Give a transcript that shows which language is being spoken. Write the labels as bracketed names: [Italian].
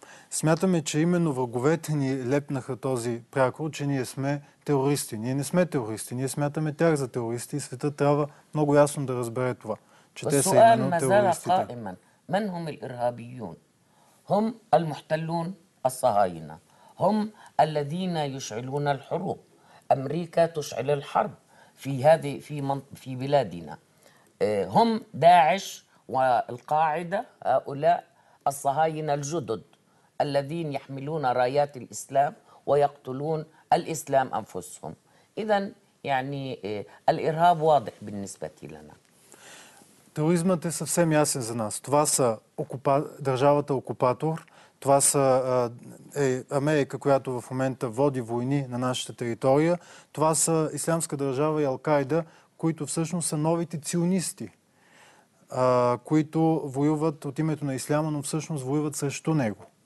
[Bulgarian] Смятаме, че именно враговете ни лепнаха този прякор, че ние сме терористи. Ние не сме терористи. Ние смятаме тях за терористи и света трябва много ясно да разбере това. [Arabic] والسؤال ما زال قائما من هم الإرهابيون هم المحتلون الصهاينة هم الذين يشعلون الحروب أمريكا تشعل الحرب في هذه في بلادنا هم داعش والقاعدة هؤلاء الصهاينة الجدد الذين يحملون رايات الإسلام ويقتلون الإسلام أنفسهم إذن يعني الإرهاب واضح بالنسبة لنا. [Bulgarian] Тероризмът е съвсем ясен за нас. Това са държавата окупатор, това са Америка, която в момента води войни на нашата територия, това са Ислямска държава и Ал-Кайда, които всъщност са новите ционисти, които воюват от името на Исляма, но всъщност воюват срещу него.